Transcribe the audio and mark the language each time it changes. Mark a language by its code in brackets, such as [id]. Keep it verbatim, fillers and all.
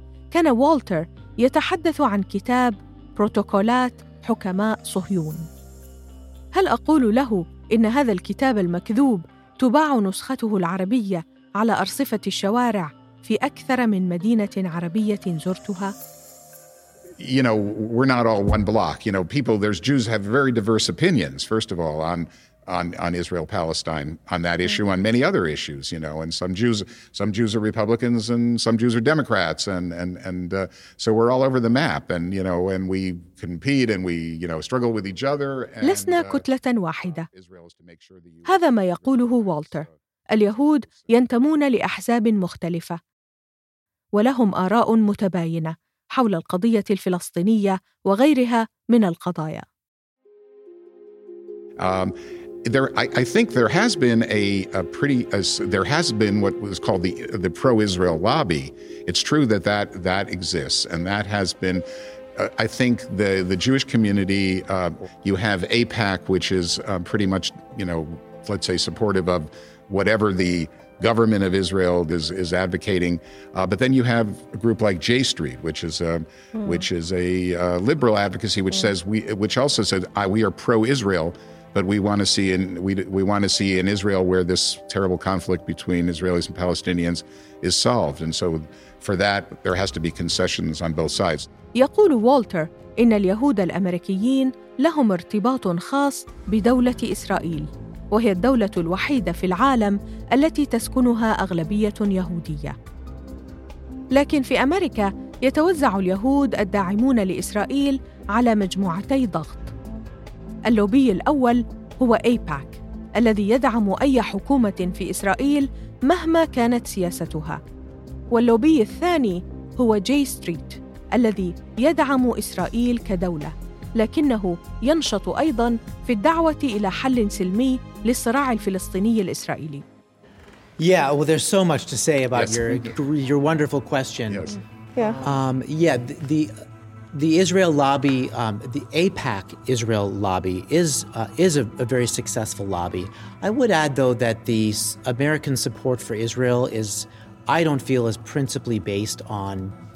[ar] كان والتر يتحدث عن كتاب بروتوكولات حكماء صهيون. هل أقول له إن هذا الكتاب المكذوب تباع نسخته العربية على أرصفة الشوارع في أكثر من مدينة عربية زرتها؟ [en] You know, we're not all one block. You know, people, there's Jews have very diverse opinions, first of all, on on, on Israel-Palestine, on that issue, on many other issues, you know, and some Jews some Jews are Republicans and some Jews are Democrats, and and, and uh, so we're all over the map, and, you know, and we compete and we, you know, struggle with each other. And, [ar] لسنا كتلة واحدة. هذا ما يقوله والتر. اليهود ينتمون لأحزاب مختلفة ولهم آراء متباينة حول القضية الفلسطينية وغيرها من القضايا. [en] Um, there, I, I think there has been a, a pretty, a, there has been what was called the the pro-Israel lobby. It's true that that, that exists, and that has been, uh, I think, the, the Jewish community, uh, you have AIPAC, which is uh, pretty much, you know, let's say supportive of whatever the government of Israel is is advocating, uh, but then you have a group like J Street, which is a mm. which is a uh, liberal advocacy, which mm. says we, which also says I, we are pro-Israel, but we want to see in we we want to see in Israel where this terrible conflict between Israelis and Palestinians is solved, and so for that there has to be concessions on both sides. [ar] يقول والتر إن اليهود الأمريكيين لهم ارتباط خاص بدولة إسرائيل. وهي الدولة الوحيدة في العالم التي تسكنها أغلبية يهودية. لكن في أمريكا يتوزع اليهود الداعمون لإسرائيل على مجموعتي ضغط. اللوبي الأول هو أيباك الذي يدعم أي حكومة في إسرائيل مهما كانت سياستها، واللوبي الثاني هو جي ستريت الذي يدعم إسرائيل كدولة، لكنه ينشط أيضاً في الدعوة إلى حل سلمي للصراع الفلسطيني الإسرائيلي. [en] Yeah, well, there's so much to say about yes. your your wonderful question. Yes. Yeah. Um, yeah, the, the the Israel lobby, um, the AIPAC Israel lobby is uh, is a, a very successful lobby. I would add, though, that the American support for Israel is, I don't feel, is principally based on.